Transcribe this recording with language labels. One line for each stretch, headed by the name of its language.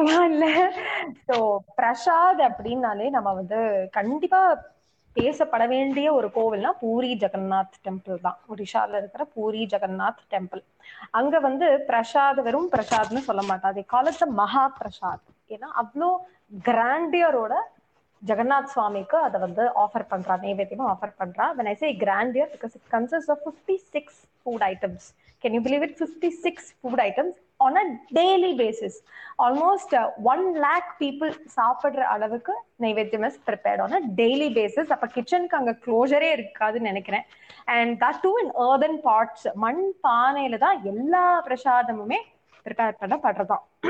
Tamil: இல்ல சோ பிரசாத் அப்படின்னாலே நம்ம வந்து கண்டிப்பா பேசப்பட வேண்டிய ஒரு கோவில்னா பூரி ஜெகநாத் டெம்பிள் தான். ஒடிஷால இருக்கிற பூரி ஜெகநாத் டெம்பிள். அங்க வந்து பிரசாத் வெறும் பிரசாத்னு சொல்ல மாட்டாது, கால மகா பிரசாத். ஏன்னா அவ்வளோ கிராண்டியரோட ஜெகநாத் சுவாமிக்கு அதை வந்து ஆஃபர் பண்றா, நைவேத்தியமா ஆஃபர் பண்றா.
English: When I say grandeur, because it consists of 56 food items. Can you believe it? 56 food items on a daily basis. Almost 1 lakh people
Tamil: சாப்பிடுற அளவுக்கு நைவேத்தியம்
English: is prepared on a daily basis.
Tamil: அப்ப கிச்சனுக்கு அங்க க்ளோஜரே இருக்காதுன்னு நினைக்கிறேன்.
English: And that too in earthen pots.
Tamil: மண் பானையில தான் எல்லா பிரசாதமுமே ப்ரிப்பேர் பண்ணப்படுறதான்.